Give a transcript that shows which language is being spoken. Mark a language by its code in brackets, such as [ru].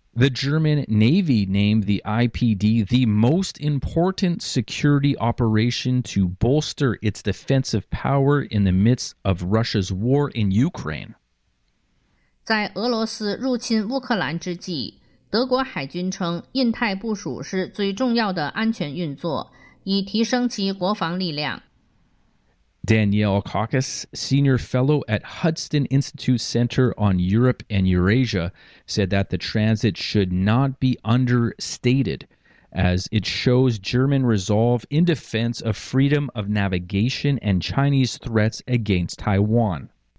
[en] German Navy named the IPD the most important security operation to bolster its defensive power in the midst of Russia's war in Ukraine. [zh] 在俄罗斯入侵乌克兰之际，德国海军称印太部署是最重要的安全运作。 [en] Danielle Caucus, senior fellow at Hudson Institute Center on Europe and Eurasia, said that the transit should not be understated, as it shows German resolve in defense of freedom of navigation and Chinese threats against Taiwan.